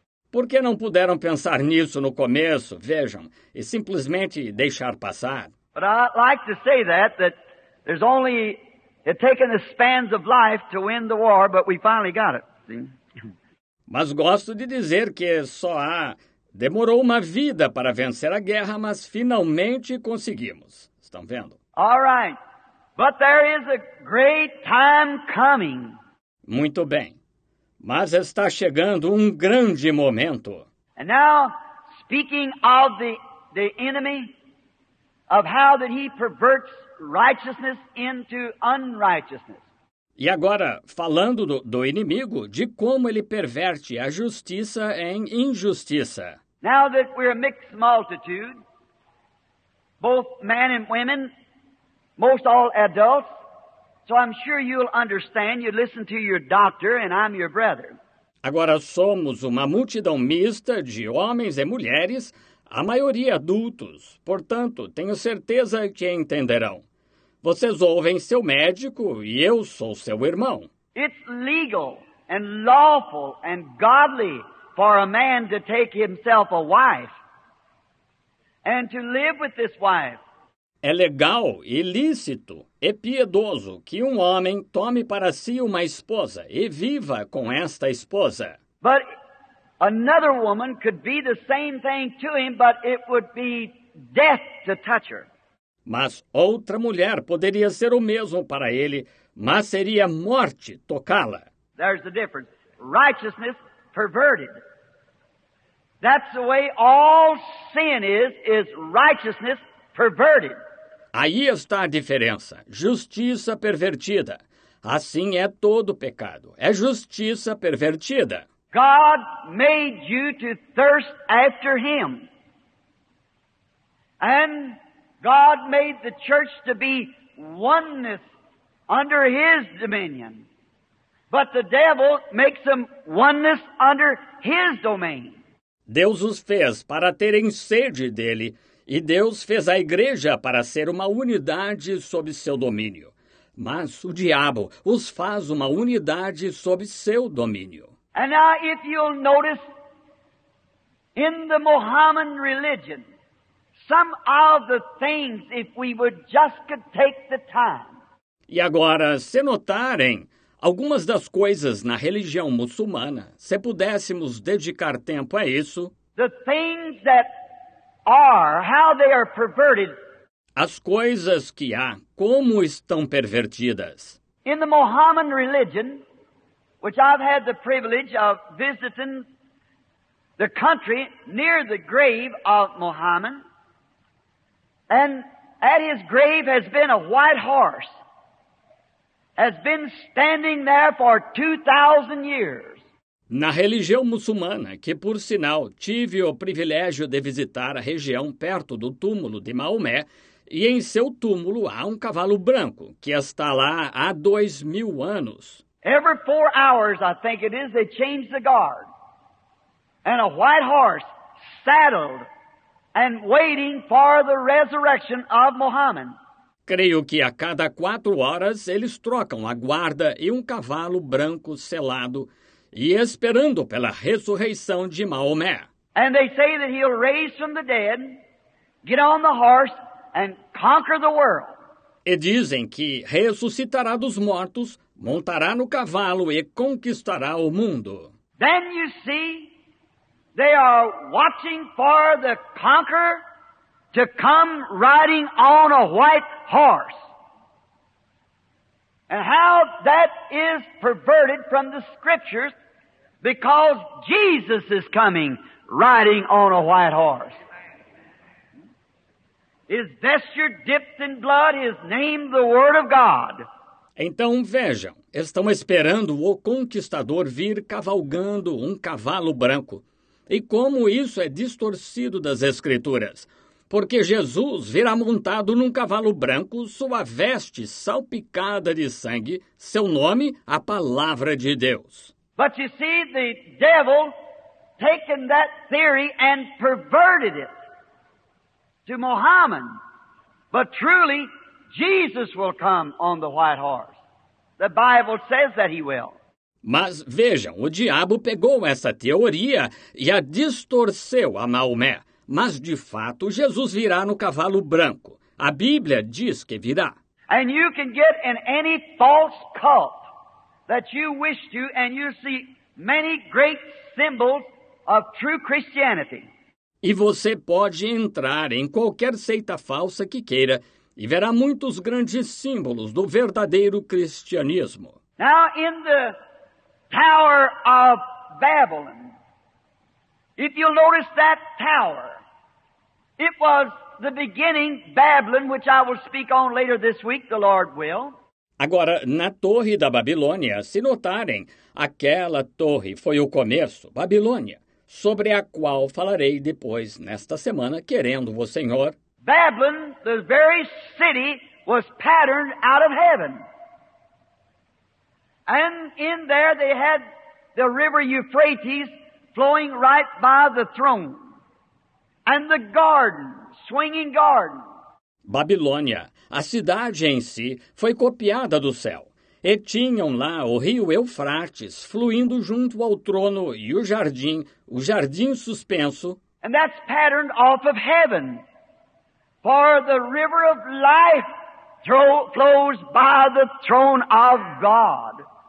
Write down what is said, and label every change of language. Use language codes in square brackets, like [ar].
[pt] Por que não puderam pensar nisso no começo, vejam, e simplesmente deixar passar? [en] But I like to say that there's only it taken the spans of life to win the war, but we finally got it. See? [pt] Mas gosto de dizer que só há demorou uma vida para vencer a guerra, mas finalmente conseguimos. Estão vendo? [en] All right, but there is a great time coming. [pt] Muito bem, mas está chegando um grande momento. [en] And now, speaking of the enemy, of how that he perverts righteousness into unrighteousness. [pt] E agora, falando do inimigo, de como ele perverte a justiça em injustiça. [en] Now that we're a mixed multitude, both men and women, most all adults, so I'm sure you'll understand, you listen to your doctor and I'm your brother. [pt] Agora somos uma multidão mista de homens e mulheres, a maioria adultos, portanto, tenho certeza que entenderão. Vocês ouvem seu médico e eu sou seu irmão. [en] It's legal and lawful and godly for a man to take himself a wife and to live with this wife. [pt] É legal, ilícito e piedoso que um homem tome para si uma esposa e viva com esta esposa. [en] But another woman could be the same thing to him, but it would be death to touch her. [pt] Mas outra mulher poderia ser o mesmo para ele, mas seria morte tocá-la. [en] There's the difference. Righteousness perverted. That's the way all sin is righteousness perverted. [pt] Aí está a diferença. Justiça pervertida. Assim é todo pecado. É justiça pervertida. [en] God made you to thirst after him. And God made the church to be oneness under his dominion. But the devil makes them oneness under his domain. [pt] Deus os fez para terem sede dele, e Deus fez a igreja para ser uma unidade sob seu domínio. Mas o diabo os faz uma unidade sob seu domínio. [en] And now if you'll notice, in the Mohammedan religion, some of the things, if we would just could take the time. [pt] E agora, se notarem, algumas das coisas na religião muçulmana, se pudéssemos dedicar tempo a isso, [en] the things that are, how they are perverted. [pt] As coisas que há, como estão pervertidas. [en] In the Mohammedan religion, which I've had the privilege of visiting the country near the grave of Mohammed, and at his grave has been a white horse, has been standing there for 2,000 years. [pt] Na religião muçulmana, que por sinal tive o privilégio de visitar a região perto do túmulo de Maomé, e em seu túmulo há um cavalo branco que está lá há 2,000 anos. [en] Every 4 hours, I think it is, they change the guard. And a white horse saddled and waiting for the resurrection of Muhammad. [pt] Creio que a cada 4 horas eles trocam a guarda e um cavalo branco selado e esperando pela ressurreição de Maomé. [en] And they say that he'll raise from the dead, get on the horse and conquer the world. [pt] E dizem que ressuscitará dos mortos, montará no cavalo e conquistará o mundo. [en] Then you see, they are watching for the conqueror to come riding on a white horse. And how that is perverted from the scriptures, because Jesus is coming riding on a white horse. His vesture dipped in blood, his name the Word of God. [pt] Então vejam, estão esperando o conquistador vir cavalgando um cavalo branco. E como isso é distorcido das Escrituras, porque Jesus virá montado num cavalo branco, sua veste salpicada de sangue, seu nome, a palavra de Deus. [en] But you see, the devil taken that theory and perverted it to Muhammad. But truly, Jesus will come on the white horse. The Bible says that he will. [pt] Mas vejam, o diabo pegou essa teoria e a distorceu a Maomé. Mas, de fato, Jesus virá no cavalo branco. A Bíblia diz que virá. [en] And you can get in any false cult that you wish to, and you see many great symbols of true Christianity. [pt] E você pode entrar em qualquer seita falsa que queira e verá muitos grandes símbolos do verdadeiro cristianismo. [en] Now, in the Tower of Babylon. If you'll notice that tower, it was the beginning, Babylon, which I will speak on later this week, the Lord will. [pt] Agora, na Torre da Babilônia, se notarem, aquela torre foi o começo, Babilônia, sobre a qual falarei depois nesta semana, querendo o Senhor. [en] Babylon, the very city, was patterned out of heaven. And in there they had the river Euphrates flowing right by the throne. And the garden, swinging garden. [pt] Babilônia, a cidade em si, foi copiada do céu. E tinham lá o rio Eufrates fluindo junto ao trono e o jardim suspenso. [en] And that's patterned off of heaven. For the river of life flows by the throne of God.